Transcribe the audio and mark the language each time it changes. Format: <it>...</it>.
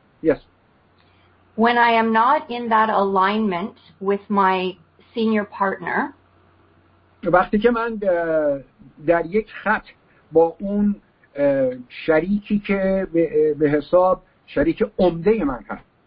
<en>Yes. When I am not in that alignment with my senior partner.</en> <fa>وقتی که من در یک خط با اون شریکی که به حساب شریک عمده من هست.</fa>